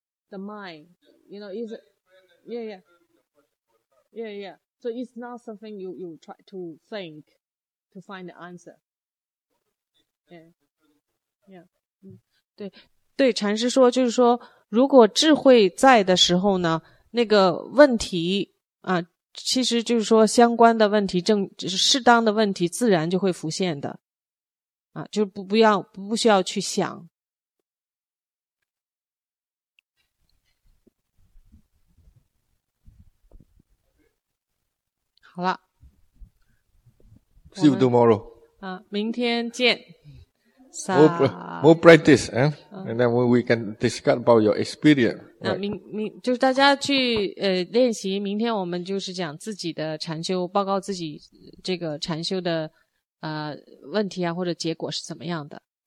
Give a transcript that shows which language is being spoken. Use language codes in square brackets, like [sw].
[en] The mind, you know, is, yeah, yeah. Yeah, yeah. So it's not something you try to think to find the answer. Yeah. Yeah. [zh] 对对，禅师说，就是说，如果智慧在的时候呢，那个问题啊，其实就是说相关的问题，正适当的问题，自然就会浮现的，啊，就不需要去想。好了 [en] ，See you tomorrow。 [zh] 啊，明天见。 [en] More practice, and then we can discuss about your experience. [zh] 那明就是大家去练习，明天我们就是讲自己的禅修，报告自己这个禅修的问题啊，或者结果是怎么样的。